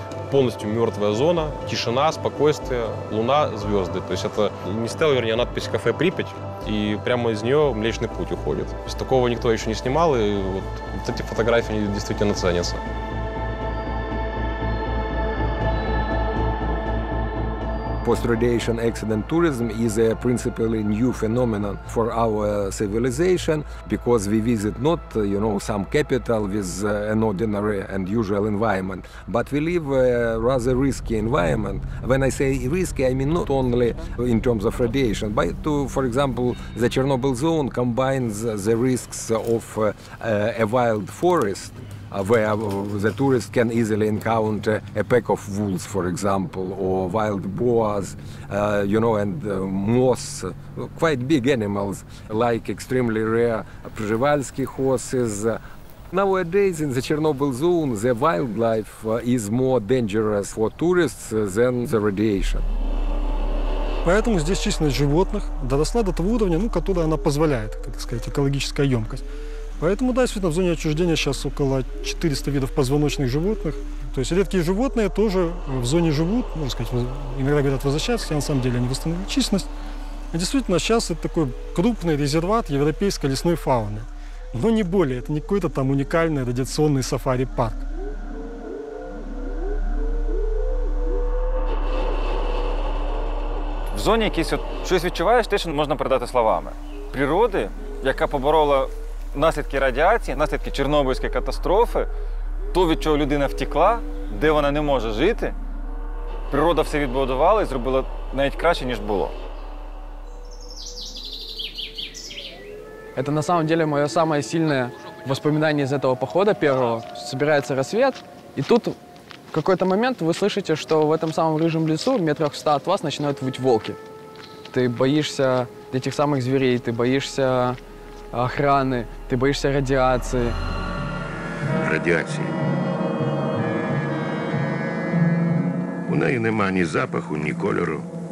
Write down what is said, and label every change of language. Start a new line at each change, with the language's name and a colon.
Russian: Полностью мертвая зона, тишина, спокойствие, луна, звезды. То есть это не стел, вернее, надпись «Кафе Припять», и прямо из нее Млечный Путь уходит. То есть такого никто еще не снимал, и вот, вот эти фотографии действительно ценятся.
English: Post-radiation accident tourism is a principally new phenomenon for our civilization, because we visit not, you know, some capital with an ordinary and usual environment, but we live a rather risky environment. When I say risky, I mean not only in terms of radiation, but to, for example, the Chernobyl zone combines the risks of a wild forest, where the tourist can easily encounter a pack of wolves, for example, or wild boars, you know, and moss, quite big animals, like extremely rare Przewalski horses. Nowadays in the Chernobyl zone, the wildlife is more dangerous for tourists than the radiation.
Russian: Поэтому здесь численность животных доросла до того уровня, ну, который она позволяет, как сказать, экологическая емкость. Поэтому, да, действительно, в зоне отчуждения сейчас около 400 видов позвоночных животных. То есть редкие животные тоже в зоне живут, можно сказать, иногда говорят, возвращаются, хотя на самом деле они восстановили численность. Действительно, сейчас это такой крупный резерват европейской лесной фауны. Но не более, это не какой-то там уникальный радиационный сафари-парк.
Ukrainian: В зоні якісь от щось відчуваєш, те, що можна передати словами. Природи, яка поборола наслідки радіації, наслідки Чорнобильської катастрофи, то, від чого людина втекла, де вона не може жити, природа все відбудувала і зробила навіть краще, ніж було.
Russian: Это на самом деле мое самое сильное воспоминание из этого похода первого. Собирается рассвет, и тут в какой-то момент вы слышите, что в этом самом рыжем лесу, метрах в 100 от вас, начинают выть волки. Ты боишься этих самых зверей, ты боишься охраны, ты боишься радиации. Радиации.
Ukrainian: У неї нема ні запаху, ні кольору.